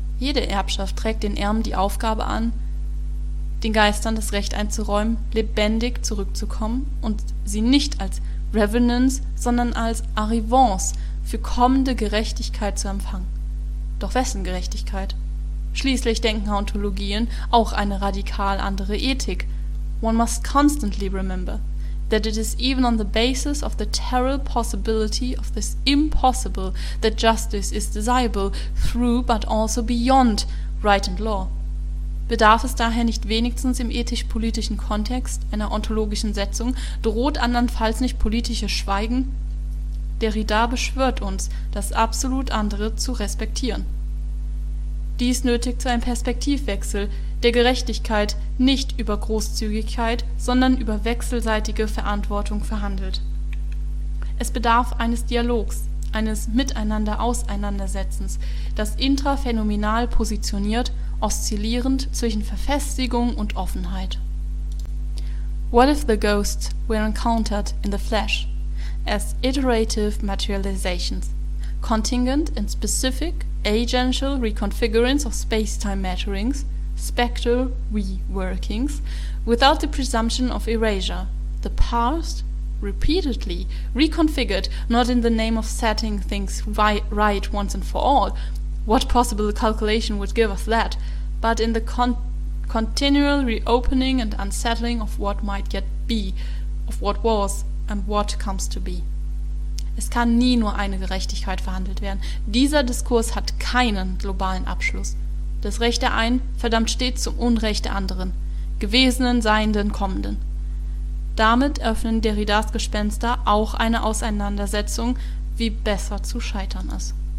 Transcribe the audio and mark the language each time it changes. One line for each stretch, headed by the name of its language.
German: Jede Erbschaft trägt den Erben die Aufgabe an, den Geistern das Recht einzuräumen, lebendig zurückzukommen und sie nicht als Revenants, sondern als Arrivants für kommende Gerechtigkeit zu empfangen. Doch wessen Gerechtigkeit? Schließlich denken Ontologien auch eine radikal andere Ethik.
English: One must constantly remember that it is even on the basis of the terrible possibility of this impossible that justice is desirable through but also beyond right and law.
German: Bedarf es daher nicht wenigstens im ethisch-politischen Kontext einer ontologischen Setzung, droht andernfalls nicht politisches Schweigen? Derrida beschwört uns, das absolut andere zu respektieren. Dies nötigt zu einem Perspektivwechsel der Gerechtigkeit, nicht über Großzügigkeit, sondern über wechselseitige Verantwortung verhandelt. Es bedarf eines Dialogs, eines Miteinander-Auseinandersetzens, das intraphänomenal positioniert, oszillierend zwischen Verfestigung und Offenheit.
English: What if the ghosts were encountered in the flesh as iterative materializations, contingent and specific agential reconfigurations of space-time matterings, spectral reworkings, without the presumption of erasure, the past repeatedly reconfigured, not in the name of setting things right once and for all, what possible calculation would give us that, but in the continual reopening and unsettling of what might yet be, of what was and what comes to be.
German: Es kann nie nur eine Gerechtigkeit verhandelt werden. Dieser Diskurs hat keinen globalen Abschluss. Das Recht der einen verdammt stets zum Unrecht der anderen, Gewesenen, Seienden, Kommenden. Damit öffnen Derridas Gespenster auch eine Auseinandersetzung, wie besser zu scheitern ist.